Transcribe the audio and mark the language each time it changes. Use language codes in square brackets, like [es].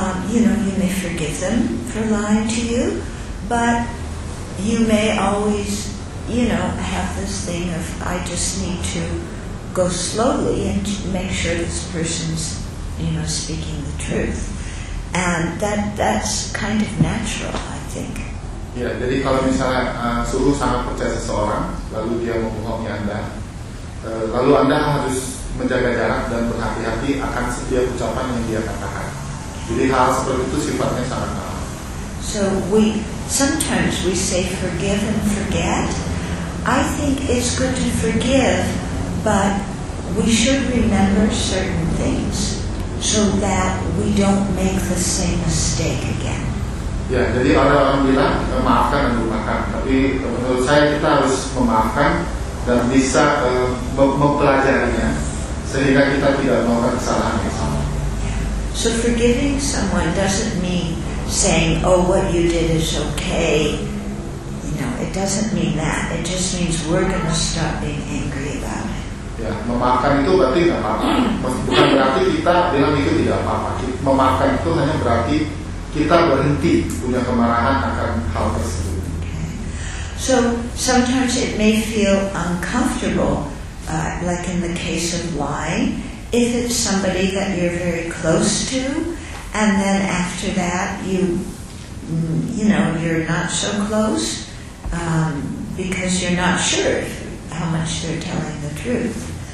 [en] you may forgive them for lying to you, but you may always, have this thing of, I just need to go slowly and make sure this person's, speaking the truth. And that's kind of natural, I think. [id] Yeah, jadi kalau misalnya suhu sangat percaya seseorang, lalu dia membohongi Anda, lalu Anda harus menjaga jarak dan berhati-hati akan setiap ucapan yang dia katakan. Jadi hal seperti itu sifatnya sangat normal. [en] So sometimes we say forgive and forget. I think it's good to forgive, but we should remember certain things, so that we don't make the same mistake again. [id] Yeah, jadi ada orang bilang maafkan dan lupakan, tapi menurut saya kita harus memaafkan dan bisa mempelajarinya sehingga kita tidak melakukan kesalahan yang sama. [en] So forgiving someone doesn't mean saying, oh, what you did is okay. It doesn't mean that. It just means we're going to stop being angry about it. [id] Ya, memaafkan itu berarti tidak apa-apa. Bukan berarti kita bilang itu tidak apa-apa. Memaafkan itu hanya berarti kita berhenti punya kemarahan akan hal tersebut. [en] Okay. So sometimes it may feel uncomfortable, like in the case of lying, if it's somebody that you're very close to, and then after that you you're not so close because you're not sure how much they're telling the truth.